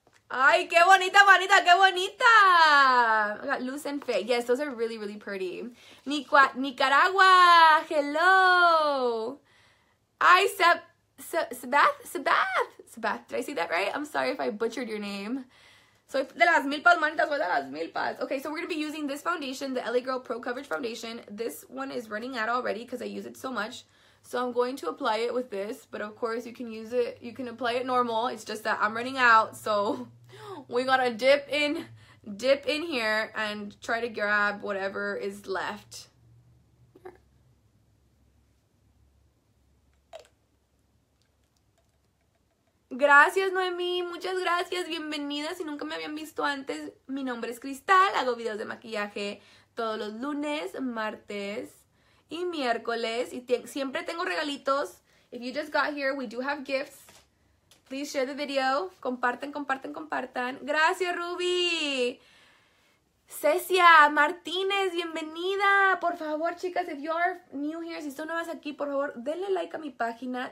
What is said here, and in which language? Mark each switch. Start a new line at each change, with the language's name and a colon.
Spanish: Ay, qué bonita, manita, qué bonita.
English: I got loose and fake. Yes, those are really, really pretty. Nicaragua, hello. Ay, Sabath, did I say that right? I'm sorry if I butchered your name.
Spanish: So, de las milpas, manitas, de las milpas.
English: Okay, so we're going to be using this foundation, the LA Girl Pro Coverage Foundation. This one is running out already because I use it so much. So I'm going to apply it with this, but of course you can use it, you can apply it normal. It's just that I'm running out, so we gotta dip in here and try to grab whatever is left.
Spanish: Gracias, Noemi. Muchas gracias. Bienvenida. Si nunca me habían visto antes, mi nombre es Cristal. Hago videos de maquillaje todos los lunes, martes y miércoles. Y siempre tengo regalitos.
English: If you just got here, we do have gifts. Please share the video.
Spanish: Comparten, comparten, compartan. Gracias,
English: Ruby.
Spanish: Cecia Martínez, bienvenida. Por favor, chicas,
English: if you are new here,
Spanish: si son nuevas aquí, por favor, denle like a mi página.